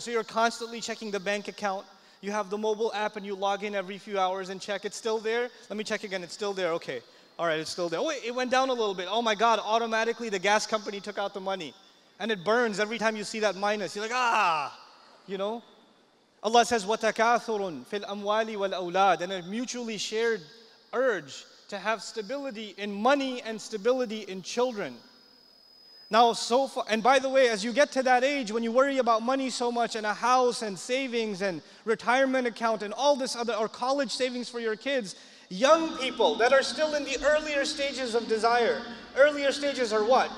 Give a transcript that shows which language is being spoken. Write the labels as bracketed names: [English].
[English] So you're constantly checking the bank account. You have the mobile app and you log in every few hours and check. It's still there? Let me check again. It's still there. Okay. All right. It's still there. Oh, wait, it went down a little bit. Oh my God. Automatically the gas company took out the money. And it burns every time you see that minus. You're like, ah, you know. Allah says, [Arabic] وَتَكَاثُرٌ فِي الْأَمْوَالِ وَالْأَوْلَادِ. [English] And a mutually shared urge to have stability in money and stability in children. Now, so far, and by the way, as you get to that age, when you worry about money so much and a house and savings and retirement account and all this other, or college savings for your kids, young people that are still in the earlier stages of desire, earlier stages are what?